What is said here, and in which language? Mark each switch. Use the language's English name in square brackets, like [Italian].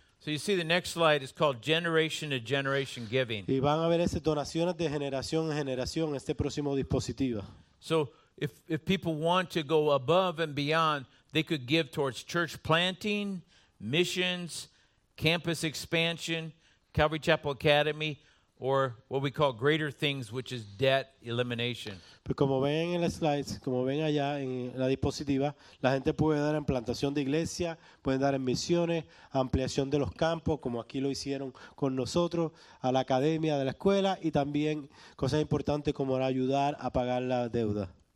[English] So you see, the next slide is called generation to generation giving. [Spanish] Y van a ver esas donaciones de generación en generación en este próximo dispositivo. [English] So if people want to go above and beyond, they could give towards church planting, missions, campus expansion, Calvary Chapel Academy, or what we call greater things, which is debt elimination. [Spanish] Pues como ven en las slides, como ven allá en la diapositiva, la gente puede dar en plantación de iglesia, pueden dar en misiones, ampliación de los campos, como aquí lo hicieron con nosotros, a la academia de la escuela, y también cosas importantes como ayudar a pagar la deuda.